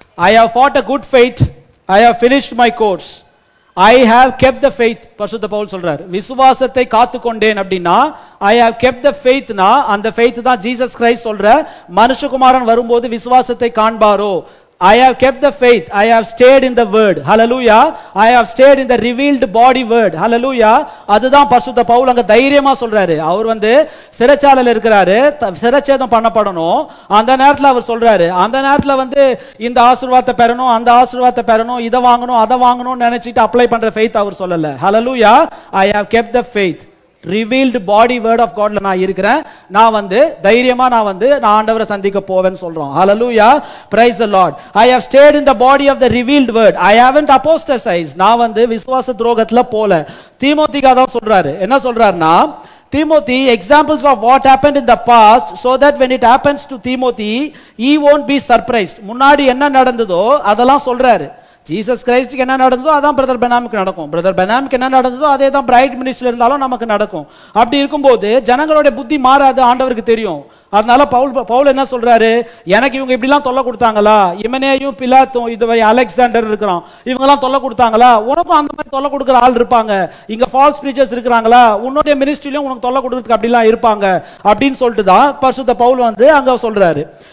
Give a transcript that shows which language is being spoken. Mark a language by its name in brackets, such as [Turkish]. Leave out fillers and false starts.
[English] I have fought a good fight, I have finished my course, I have kept the faith. [Tamil] பரிசுத்த பவுல் சொல்றார், விசுவாசத்தை காத்துக்கொண்டேன் அப்படின்னா [English] I have kept the faith. [Tamil] அந்த faith தான் Jesus Christ சொல்ற, மனுஷகுமாரன் வரும்போது விசுவாசத்தை காண்பாரோ, [English] I have kept the faith. I have stayed in the word. Hallelujah. I have stayed in the revealed body word. Hallelujah. [Tamil] அதுதான் பரிசுத்த பவுல் அங்க தைரியமா சொல்றாரு. அவர் வந்து சிறைச்சாலையில் இருக்கிறாரு, சிறைச்சேதம் பண்ணப்படணும். அந்த நேரத்தில் அவர் சொல்றாரு, அந்த நேரத்தில் வந்து இந்த ஆசீர்வாதத்தை பெறணும், அந்த ஆசீர்வாதத்தை பெறணும், இதை வாங்கணும், அதை வாங்கணும்னு நினைச்சிட்டு அப்ளை பண்ற ஃபெய்த் அவர் சொல்லல. Hallelujah. [English] I have kept the faith. [Tamil] Revealed body word of காட்ல நான் இருக்கிறேன், நான் வந்து தைரியமா நான் வந்து நான் ஆண்டவரை சந்திக்க போவேன்னு சொல்றோம். Hallelujah. Praise the Lord. [English] I have stayed in the body of the revealed word. I haven't apostasize. [Tamil] நான் வந்து விசுவாச துரோகத்துல போல. தீமோத்திக்கா தான் சொல்றாரு. என்ன சொல்றாருன்னா, [English] Timothy, examples of what happened in the past, so that when it happens to Timothy, he won't be surprised. [Tamil] முன்னாடி என்ன நடந்ததோ அதெல்லாம் சொல்றாரு. ஜீசஸ் கிரைஸ்டுக்கு என்ன நடந்ததோ அதான் பிரதர் பெனாமுக்கு நடக்கும். பிரதர் பெனாமுக்கு என்ன நடந்ததோ அதே தான் பிரைட் மினிஸ்டர் இருந்தாலும் நமக்கு நடக்கும். அப்படி இருக்கும்போது ஜனங்களோட புத்தி மாறாது, ஆண்டவருக்கு தெரியும். அதனால பவுல் என்ன சொல்றாரு, எனக்கு இவங்க இப்படி எல்லாம் தொல்லை கொடுத்தாங்களா, இமனேயும் பிலாத்தும் இதுவரை அலெக்சாண்டர் இருக்கிறான், இவங்க எல்லாம் தொல்லை கொடுத்தாங்களா, உனக்கும் அந்த மாதிரி தொல்லை கொடுக்குற ஆள் இருப்பாங்க, இங்க ஃபால்ஸ் பிரீச்சர்ஸ் இருக்கிறாங்களா, உன்னுடைய மினிஸ்ட்ரியிலும் உனக்கு தொல்லை கொடுக்கறதுக்கு அப்படிலாம் இருப்பாங்க அப்படின்னு சொல்லிட்டு தான் பரிசுத்த பவுல் வந்து அங்க சொல்றாரு.